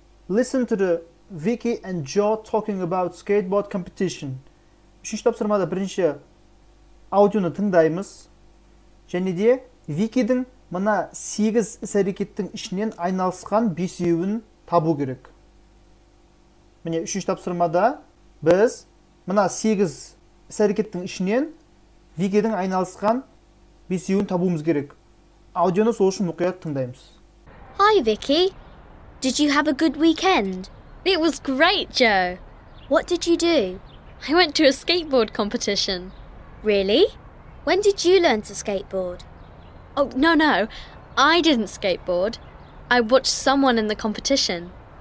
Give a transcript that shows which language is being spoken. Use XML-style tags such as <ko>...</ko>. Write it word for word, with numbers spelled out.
<en>Listen to the Vicky and Joe talking about skateboard competition.</en> <kk>Үшінші тапсырмада бірінші аудионы тыңдаймыз. Және де Викидің мына сегіз іс-әрекеттің ішінен айналысқан бесеуін табу керек. Міне үшінші тапсырмада біз мына сегіз іс-әрекеттің ішінен Викидің айналысқан бесеуін табуымыз керек. Аудионы сол үшін мұқият тыңдаймыз.</kk> <en>Hi Vicky, did you have a good weekend? It was great, Joe. What did you do? I went to a skateboard competition. Really? When did you learn to skateboard? Oh, no, no. I didn't skateboard. I watched someone in the competition.</en>